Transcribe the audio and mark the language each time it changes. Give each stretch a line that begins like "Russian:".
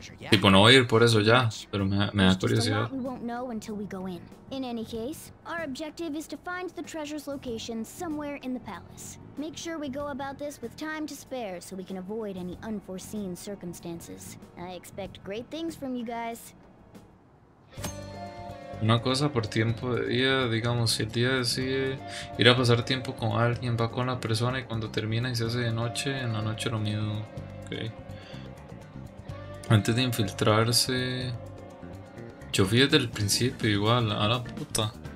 Spanish: Tipo, no voy a ir por eso ya, pero me da curiosidad.
English: We won't know until we go in. In any case, our objective is to find the treasure's location somewhere in the palace. Make sure we go about this with time to spare so we can avoid any unforeseen circumstances. I expect great things from you guys.
Spanish: Una cosa por tiempo de día, digamos, si el día decide ir a pasar tiempo con alguien, va con la persona y cuando termina y se hace de noche, en la noche lo mismo. Okay. Antes de infiltrarse, yo fui desde el principio igual, a la puta.